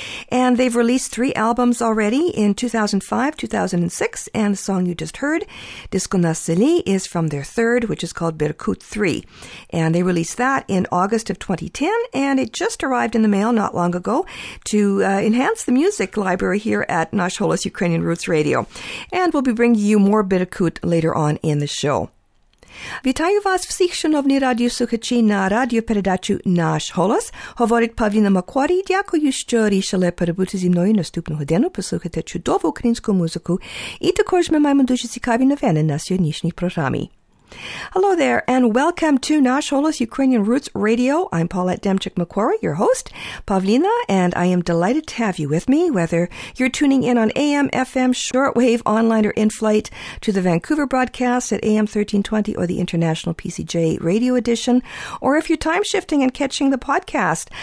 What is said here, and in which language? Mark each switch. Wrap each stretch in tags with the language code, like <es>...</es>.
<en>And they've released three albums already in 2005, 2006, and the song you just heard, Disco na Seli, is from their third, which is called Berkut 3. And they released that in August of 2010, and it just arrived in the mail not long ago to enhance the music library here at Nash Holos Ukrainian Roots Radio. And we'll be bringing you more Berkut later on in the show.</en> <uk>Вітаю вас всіх, шановні радіослухачі, на радіопередачу «Наш голос». Говорить Павліна Макварі. Дякую, що рішили перебути зі мною наступну годину, послухати чудову українську музику. І також ми маємо дуже цікаві новини на сьогоднішній програмі.</uk> <en>Hello there, and welcome to Nash Holos Ukrainian Roots Radio. I'm Paulette Demchik-McQuarrie, your host, Pavlina, and I am delighted to have you with me, whether you're tuning in on AM, FM, shortwave, online, or in-flight to the Vancouver broadcast at AM 1320 or the International PCJ Radio Edition, or if you're time-shifting and catching the podcast.</en>